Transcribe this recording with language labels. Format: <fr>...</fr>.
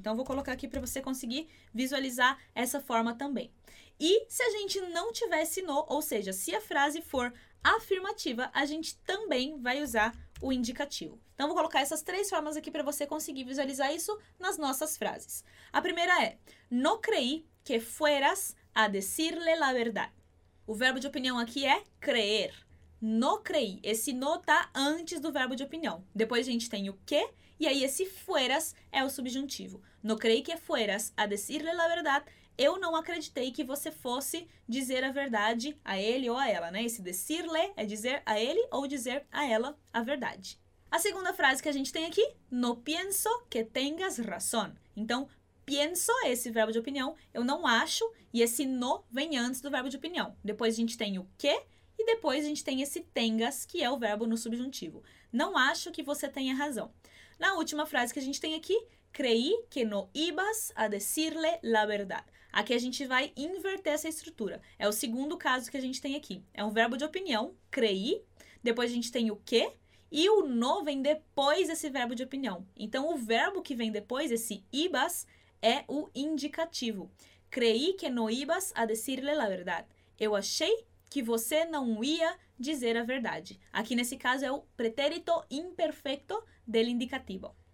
<pt>Então, eu vou colocar aqui para você conseguir visualizar essa forma também. E se a gente não tivesse no, ou seja, se a frase for afirmativa, a gente também vai usar o indicativo. Então, vou colocar essas três formas aqui para você conseguir visualizar isso nas nossas frases. A primeira é,</pt> <es>no creí que fueras a decirle la verdad.</es> <pt>O verbo de opinião aqui é creer.</pt> <es>No creí.</es> <pt>Esse no está antes do verbo de opinião. Depois a gente tem o que, e aí esse fueras é o subjuntivo.</pt> <es>No creí que fueras a decirle la verdad.</es> <pt>Eu não acreditei que você fosse dizer a verdade a ele ou a ela, né? Esse decirle é dizer a ele ou dizer a ela a verdade. A segunda frase que a gente tem aqui,</pt> <es>no pienso que tengas razón.</es> <pt>Então, pienso é esse verbo de opinião, eu não acho, e esse no vem antes do verbo de opinião. Depois a gente tem o que e depois a gente tem esse tengas, que é o verbo no subjuntivo. Não acho que você tenha razão. Na última frase que a gente tem aqui,</pt> <es>creí que no ibas a decirle la verdad.</es> <pt>Aqui a gente vai inverter essa estrutura. É o segundo caso que a gente tem aqui. É um verbo de opinião, crei, depois a gente tem o que, e o no vem depois desse verbo de opinião. Então, o verbo que vem depois, esse ibas, é o indicativo.</pt> <es>Crei que no ibas a decirle la verdad.</es> <pt>Eu achei que você não ia dizer a verdade. Aqui, nesse caso, é o pretérito imperfeito del indicativo.</pt>